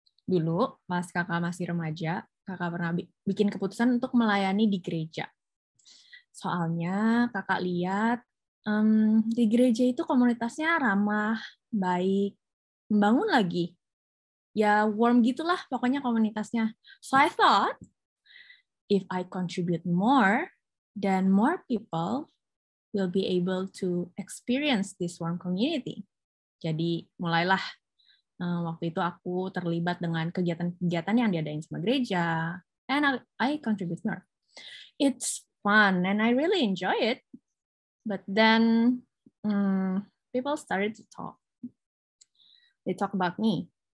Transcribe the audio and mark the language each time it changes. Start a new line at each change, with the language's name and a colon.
Indonesian: Dulu, pas kakak masih remaja, kakak pernah bikin keputusan untuk melayani di gereja. Soalnya, kakak lihat di gereja itu komunitasnya ramah, baik, membangun lagi. Ya, warm gitulah pokoknya komunitasnya.
English: So I thought, if I contribute more, then more people will be able to experience this warm community.
Indonesian: Jadi mulailah, waktu itu aku terlibat dengan kegiatan-kegiatan yang diadain sama gereja,
English: and I contribute more. It's fun, and I really enjoy it. But then, people started to talk. They talk about me.